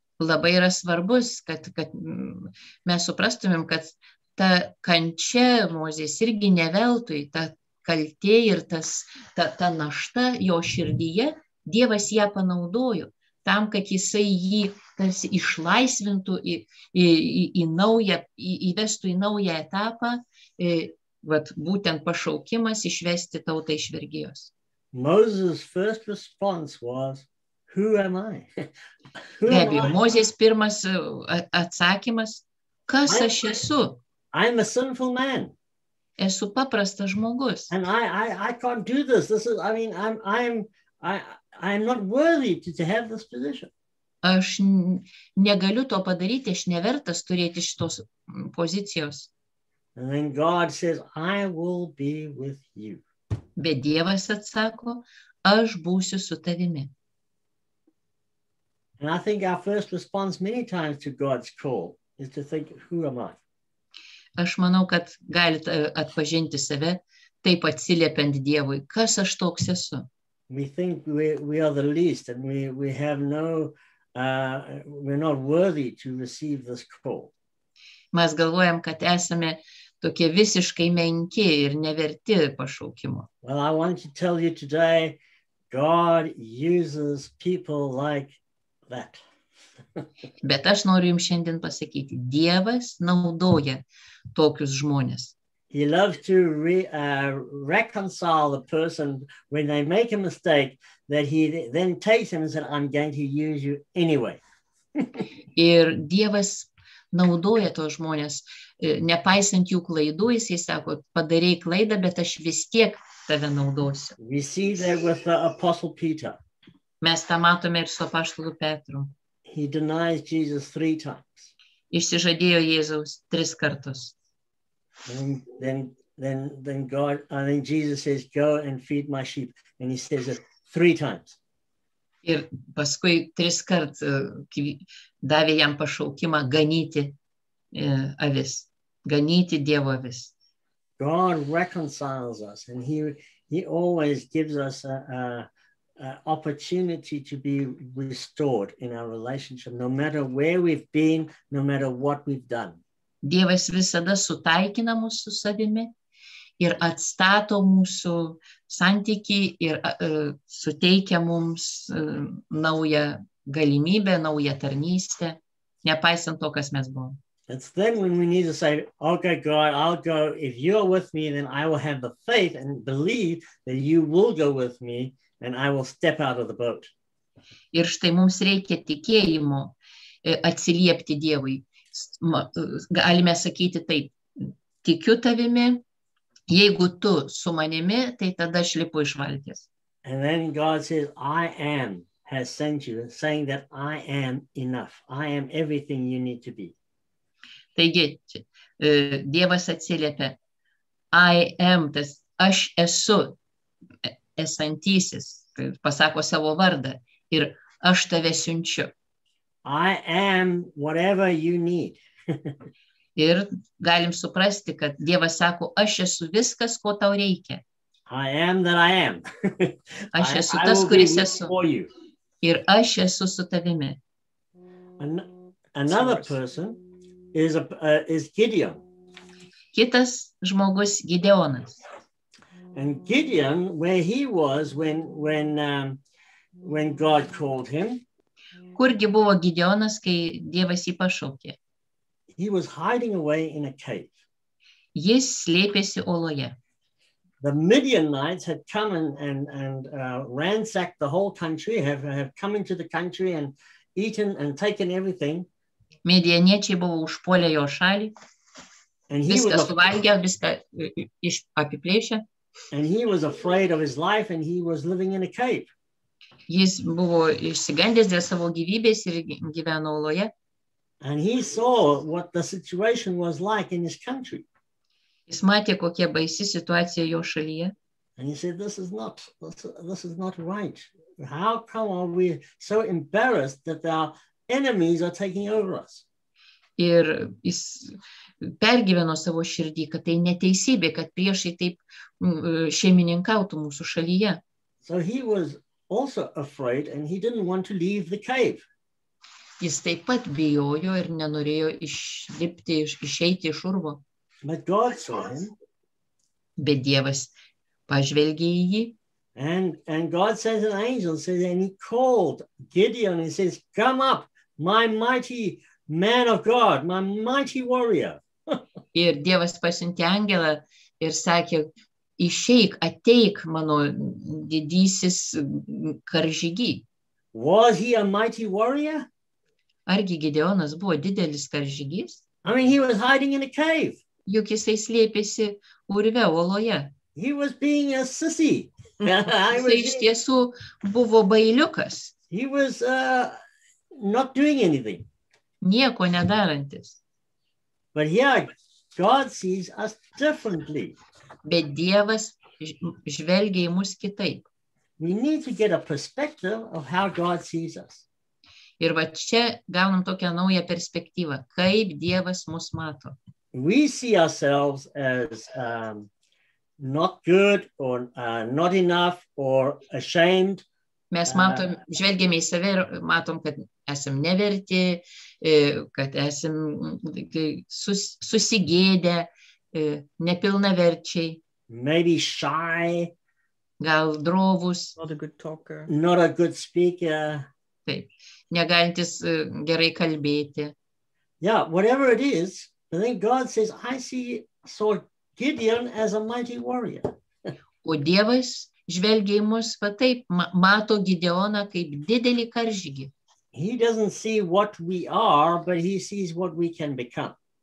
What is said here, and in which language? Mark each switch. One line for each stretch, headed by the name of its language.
Lithuanian: Labai yra svarbus, kad mes suprastumėm, kad ta kančia Mozės irgi neveltui, ta kaltė ir ta našta jo širdyje, Dievas ją panaudojo. Tam, kad jisai jį tarsi išlaisvintų įvestų į naują etapą, vat būtent pašaukimas išvesti tautą iš vergijos.
English: Moses' first response was, who am I?
Lithuanian: Be abejo, Mozės pirmas atsakymas, kas aš esu?
English: I'm a sinful man.
Lithuanian: Esu paprastas žmogus.
English: And I can't do this. This is, I mean, I'm not worthy to have this position.
Lithuanian: Aš negaliu to padaryti, aš nevertas turėti šitos pozicijos.
English: And then God says, I will be with you.
Lithuanian: Bet Dievas atsako, aš būsiu su tavimi.
English: And I think our first response many times to God's call is to think, who am I?
Lithuanian: Aš manau, kad galite atpažinti save, taip atsiliepiant Dievui, kas aš toks esu.
English: We think we are the least and we have no we're not worthy to receive this call.
Lithuanian: Mes galvojam, kad esame tokie visiškai menki ir neverti pašaukimo.
English: Well, I want to tell you today God uses people like that.
Lithuanian: Bet aš noriu jums šiandien pasakyti, Dievas naudoja tokius žmones.
English: He loves to reconcile the person when they make a mistake that he then takes him and says, I'm going to use you anyway.
Lithuanian: Ir Dievas naudoja tos žmonės, nepaisant jų klaidų, jis sako, padarei klaidą, bet aš vis tiek tave naudosiu.
English: We see that with the Apostle Peter.
Lithuanian: Mes tą matome ir su apaštalu Petru.
English: He denies Jesus 3 times.
Lithuanian: Išsižadėjo Jėzaus 3 kartus.
English: And then Jesus says, go and feed my sheep. And he says it 3 times.
Lithuanian: Ir paskui 3 kart davė jam pašaukimą ganyti avis, ganyti Dievo avis.
English: God reconciles us and he always gives us a opportunity to be restored in our relationship, no matter where we've been, no matter what we've done.
Lithuanian: Dievas visada sutaikina mūsų su savimi ir atstato mūsų santykį ir suteikia mums naują galimybę, naują tarnystę, nepaisant to, kas mes buvom.
English: It's then when we need to say, okay, God, I'll go, if you're with me, then I will have the faith and believe that you will go with me and I will step out of the boat.
Lithuanian: Ir štai mums reikia tikėjimo atsiliepti Dievui. Galime sakyti taip, tikiu tavimi, jeigu tu su manimi, tai tada aš lipu iš valties.
English: And then God says, I am, has sent you, saying that I am enough. I am everything you need to be.
Lithuanian: Taigi, Dievas atsiliepia,
English: I am,
Lithuanian: tas aš esu esantysis, pasako savo vardą ir aš tave siunčiu.
English: I am whatever you need.
Lithuanian: Ir galim suprasti, kad Dievas sako, aš esu viskas, ko tau reikia.
English: I am that I am.
Lithuanian: Aš esu tas, kuris esu. Ir aš esu su tavimi.
English: Another person is Gideon.
Lithuanian: Kitas žmogus Gideonas.
English: And Gideon, where he was when God called him.
Lithuanian: Kurgi buvo Gideonas, kai Dievas jį pašaukė?
English: He was hiding away in a cave.
Lithuanian: Jis slėpėsi oloje.
English: The Midianites had come and ransacked the whole country, have come into the country and eaten and taken everything.
Lithuanian: Midianiečiai buvo užpuolę jo šalį.
English: And he
Lithuanian: viską suvalgė, viską apiplėšė.
English: And he was afraid of his life and he was living in a cave.
Lithuanian: Jis buvo išsigandęs dėl savo gyvybės ir gyveno oloje.
English: And he saw what the situation was like in his country.
Lithuanian: Jis matė, kokia baisi situacija jo šalyje.
English: And he said, this is not right. How come are we so embarrassed that our enemies are taking over us?
Lithuanian: Ir jis pergyveno savo širdį, kad tai neteisybė, kad priešai taip šeimininkautų mūsų šalyje.
English: So he was also afraid and he didn't want to leave the cave.
Lithuanian: Jis taip pat bijojo ir nenorėjo išlipti, išeiti iš urvo.
English: But God saw him.
Lithuanian: Bet Dievas pažvelgė į jį.
English: And God sent an angel, says, and he called Gideon and says, come up, my mighty man of God, my mighty warrior.
Lithuanian: Ir Dievas pasiuntė angelą ir sakė, išeik, ateik mano didysis karžygį.
English: Was he a mighty warrior?
Lithuanian: Argi Gideonas buvo didelis karžygys?
English: I mean, he was hiding in a cave.
Lithuanian: Juk jisai slėpėsi urve oloje.
English: He was being a sissy.
Lithuanian: Jisai iš tiesų buvo bailiukas.
English: He was not doing anything.
Lithuanian: Nieko nedarantis.
English: But yeah, God sees us differently.
Lithuanian: Bet Dievas žvelgia į mus kitaip.
English: We need to get a perspective of how God sees us.
Lithuanian: Ir va čia gaunam tokią naują perspektyvą, kaip Dievas mus mato.
English: We see ourselves as not good or not enough or ashamed.
Lithuanian: Mes matom, žvelgiame į save ir matom, kad esam neverti, kad esam susigėdę, nepilnaverčiai.
English: Maybe shy.
Lithuanian: Gal drovus.
English: Not a good talker. Not a good speaker.
Lithuanian: Taip, negalintis gerai kalbėti.
English: Yeah, whatever it is, I think God says, I saw Gideon as a mighty warrior.
Lithuanian: O Dievas žvelgia į mus, va taip, mato Gideoną kaip didelį karžygį.
English: He doesn't see what we are, but he sees what we can become.